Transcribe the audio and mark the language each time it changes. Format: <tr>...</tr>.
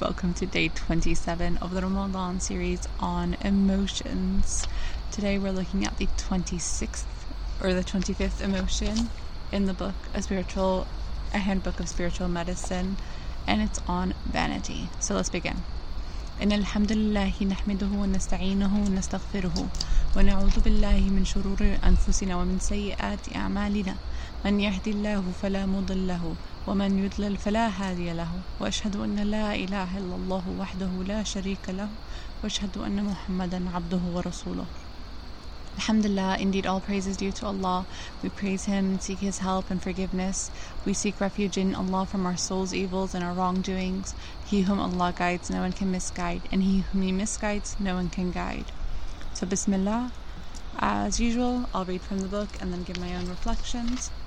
<en>Welcome to day 27 of the Ramadan series on emotions. Today we're looking at the 26th or the 25th emotion in the book, a handbook of spiritual medicine, and it's on vanity. So let's begin.</en> <ar>إن الحمد لله نحمده ونستعينه ونستغفره ونعوذ بالله من شرور أنفسنا ومن سيئات أعمالنا من يهدي الله فلا مضل له ومن يضلل فلا هادي له وأشهد أن لا إله إلا الله وحده لا شريك له وأشهد أن محمدا عبده ورسوله.</ar> <en>Alhamdulillah, indeed all praise is due to Allah. We praise Him, seek His help and forgiveness. We seek refuge in Allah from our soul's evils and our wrongdoings. He whom Allah guides, no one can misguide. And He whom He misguides, no one can guide. So Bismillah, as usual, I'll read from the book and then give my own reflections.</en>